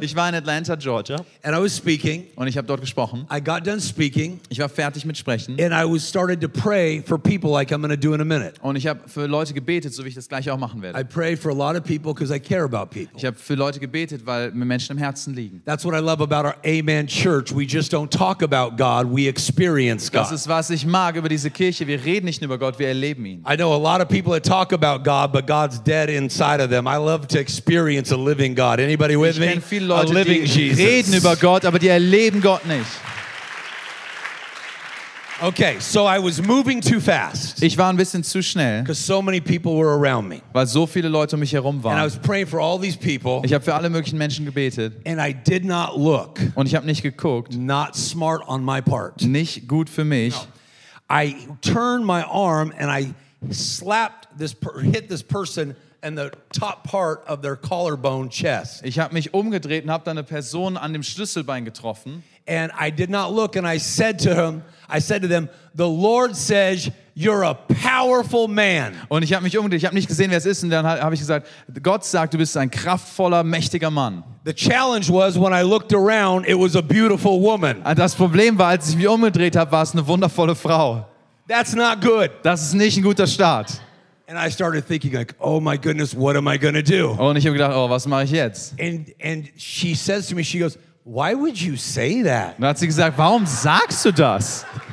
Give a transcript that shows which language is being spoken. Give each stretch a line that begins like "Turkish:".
German: Ich war in Atlanta, Georgia.
English: And I was speaking.
German: Und ich habe dort gesprochen.
English: I got done speaking.
German: Ich war fertig mit sprechen.
English: And I was started to pray for people like I'm going to do in a minute.
German: Und ich habe für Leute gebetet, so wie ich das gleich auch machen werde.
English: I pray for a lot of people because I care about people.
German: Ich habe für Leute gebetet, weil mir Menschen im Herzen liegen.
English: That's what I love about our Amen Church. We just don't talk about God. We experience God.
German: Das ist, was ich mag über diese Kirche. Wir reden nicht nur über Gott, wir erleben ihn.
English: I know a lot of people that talk about God, but God's dead inside of them. I love to experience a living God. Anybody with me?
German: Ich kenne viele Leute, die reden über Gott, aber die erleben Gott nicht.
English: Okay, so I was moving too fast.
German: Ich war ein bisschen zu schnell.
English: Because so many people were around me.
German: Weil so viele Leute um mich herum waren.
English: And I was praying for all these people.
German: Ich habe für alle möglichen Menschen gebetet.
English: And I did not look.
German: Und ich habe nicht geguckt.
English: Not smart on my part.
German: Nicht gut für mich.
English: No. I turned my arm and I slapped this hit this person and the top part of their collarbone chest.
German: Ich habe mich umgedreht und habe dann eine Person an dem Schlüsselbein getroffen.
English: And I did not look and I said to them, the Lord says you're a powerful man.
German: Und ich habe mich umgedreht, ich habe nicht gesehen, wer es ist, und dann habe ich gesagt, Gott sagt, du bist ein kraftvoller, mächtiger Mann.
English: The challenge was when I looked around, it was a beautiful woman.
German: Das Problem war, als ich mich umgedreht habe, war es eine wundervolle Frau.
English: That's not good.
German: Das ist nicht ein guter Start.
English: And I started thinking like, oh my goodness, what am I going to do?
German: Und ich habe gedacht, oh, was mache ich jetzt?
English: And she says to me, she goes, why would you say that?
German: Und hat sie gesagt, warum sagst du das?